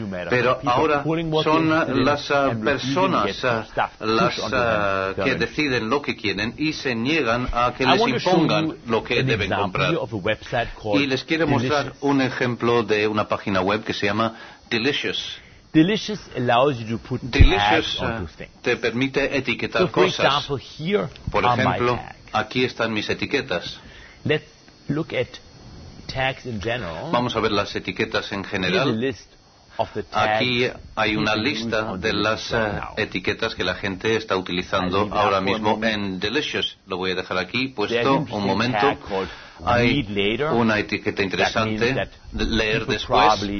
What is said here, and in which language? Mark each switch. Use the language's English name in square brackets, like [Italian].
[Spanish] Pero ahora son las personas las que deciden lo que quieren y se niegan a que les impongan lo que deben comprar. Y les quiero mostrar un ejemplo de una página web que se llama Delicious. [English] Delicious allows you to put tags on things. [Spanish] Te permite etiquetar cosas. Por ejemplo, aquí están mis etiquetas. [English] Let's look at tags in general. [Spanish] Vamos a ver las etiquetas en general. Aquí hay una lista de las etiquetas que la gente está utilizando ahora mismo en Delicious. Lo voy a dejar aquí puesto un momento. Hay una etiqueta interesante, leer después.